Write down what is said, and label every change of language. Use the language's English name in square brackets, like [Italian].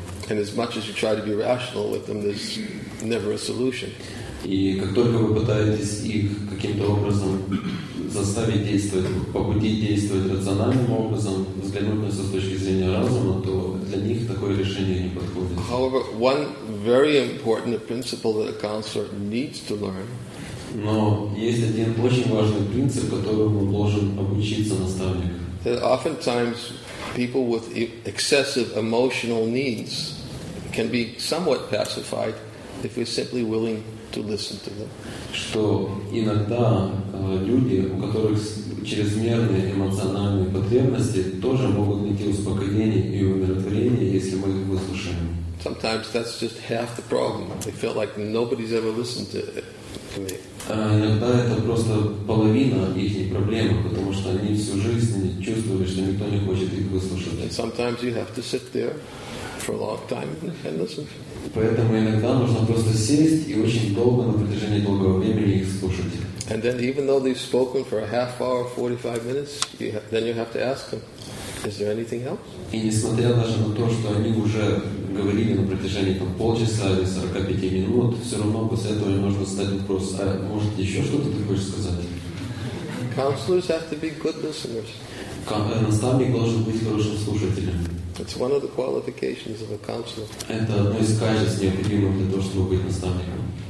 [English] And as much as you try to be rational with them, there's never a solution. [Russian] И как только вы пытаетесь их каким-то образом заставить действовать, побудить действовать рациональным образом, взглянуть на это с точки зрения разума, то для них такое решение не подходит. [English] However, one very important principle that a counselor needs to learn. [Russian] Но есть один очень важный принцип, которому должен обучиться наставник. [English] That oftentimes people with excessive emotional needs can be somewhat pacified if we're simply willing to listen to them. [Russian] Что иногда люди, у которых чрезмерные эмоциональные потребности, тоже могут найти успокоение и умиротворение, если мы их выслушаем. [English] Sometimes that's just half the problem. They feel like nobody's ever listened to it. [Russian] Иногда это просто половина их проблемы, потому что они всю жизнь чувствовали, что никто не хочет их выслушать. [English] And sometimes you have to sit there for a long time and listen. [Russian] Поэтому иногда нужно просто сесть и очень долго, на протяжении долгого времени их слушать. [English] And then even though they've spoken for a half hour, 45 minutes, you have to ask them, is there anything else? [Russian] И несмотря даже на то, что они уже говорили на протяжении там, полчаса или 45 минут, все равно после этого нужно задать вопрос, а может еще что-то ты хочешь сказать? [English] Counselors have to be good listeners. [Russian] Наставник должен быть хорошим слушателем. [English] It's one of the qualifications of a counselor. [Russian] Это одно из качеств, необходимых для того, чтобы быть наставником.